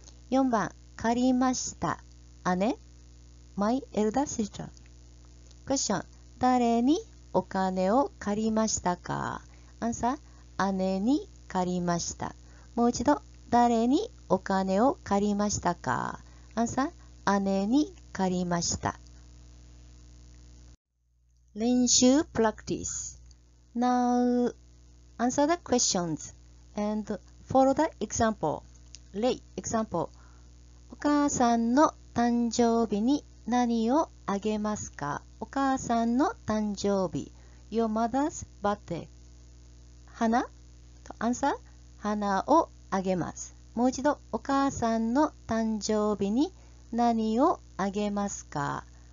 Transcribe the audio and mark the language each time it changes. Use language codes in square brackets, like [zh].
[ja] 4番、借りました。姉、 [en] マイ・エルダー・シスター。 [ja] クエスチョン、誰にお金を借りましたか？アンサー、姉に借りました。もう一度、誰にお金を借りましたか？アンサー、姉に借りました。練習プラクティス。 [en] Now, answer the questions and follow the example. [ja] 例、example。お母さんの誕生日に何をあげますか？お母さんの誕生日。 [en] Your mother's birthday. [ja] 花？と、answer。花をあげます。もう一度、お母さんの誕生日に何をあげますか？